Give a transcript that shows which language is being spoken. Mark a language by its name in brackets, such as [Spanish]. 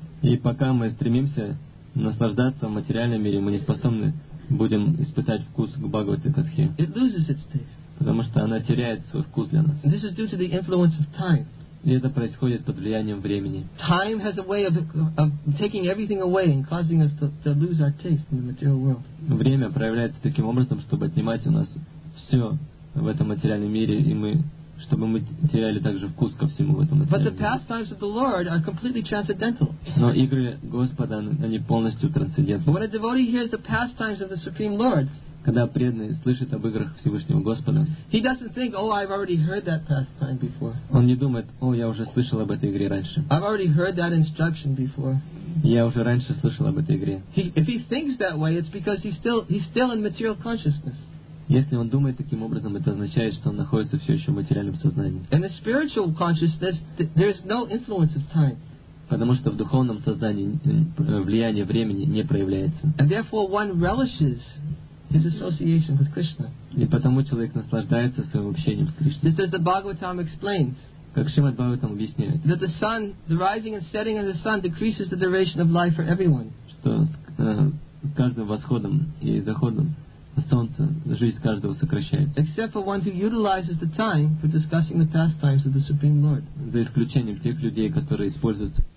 [Russian] И пока мы стремимся наслаждаться в материальном мире, мы не способны будем испытать вкус к Бхагавад Гите. [English] It loses its taste. [Russian] Потому что она теряет свой вкус для нас. [English] This is due to the influence of time. [Russian] И это происходит под влиянием времени. [English] Time has a way of taking everything away and causing us to lose our taste in the material world. [Russian] Время проявляется таким образом, чтобы отнимать у нас все в этом материальном мире, и мы, чтобы мы теряли также вкус ко всему в этом материальном мире. [English] But the pastimes of the Lord are completely transcendental. [Russian] Но игры Господа, они полностью трансцендентны. [English] When a devotee hears the pastimes of the Supreme Lord, [Russian] когда преданный слышит об играх Всевышнего Господа, [English] he doesn't think, oh, I've already heard that pastime before. [Russian] Он не думает, о, я уже слышал об этой игре раньше. [English] I've already heard that instruction before. [Russian] Я уже раньше слышал об этой игре. [English] If he thinks that way, it's because he's still in material consciousness. [Russian] Если он думает таким образом, это означает, что он находится все еще в материальном сознании. [English] In the spiritual consciousness, there's no influence of time. [Russian] Потому что в духовном сознании влияние времени не проявляется. [English] And therefore one relishes his association with Krishna. [Russian] И потому человек наслаждается своим общением с Кришной. [English] This is the Bhagavatam explains. [Russian] как Шримад Бхагаватам объясняет. [English] That the sun, the rising and setting of the sun decreases the duration of life for everyone. [Russian] Что с каждым восходом и заходом солнца жизнь каждого сокращается. [English] Except for one who utilizes the time for discussing the pastimes of the Supreme Lord. [Russian] За исключением тех людей, которые используют